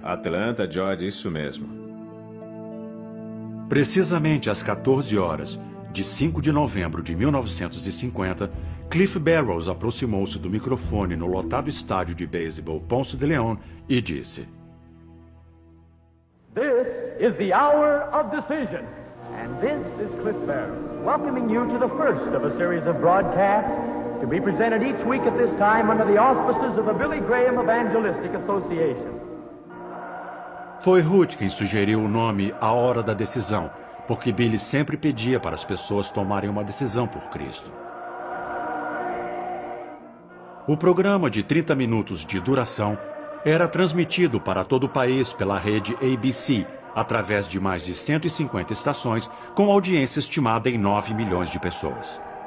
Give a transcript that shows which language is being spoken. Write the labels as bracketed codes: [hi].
[pt] Atlanta, Geórgia, isso mesmo. Precisamente às 14 horas de 5 de novembro de 1950, Cliff Barrows aproximou-se do microfone no lotado estádio de beisebol Ponce de León e disse: [en] "This is the hour of decision. And this is Cliff Barrows, welcoming you to the first of a series of broadcasts to be presented each week at this time under the auspices of the Billy Graham Evangelistic Association." [pt] Foi Ruth quem sugeriu o nome A Hora da Decisão, porque Billy sempre pedia para as pessoas tomarem uma decisão por Cristo. O programa de 30 minutos de duração era transmitido para todo o país pela rede ABC, através de mais de 150 estações, com audiência estimada em 9 milhões de pessoas.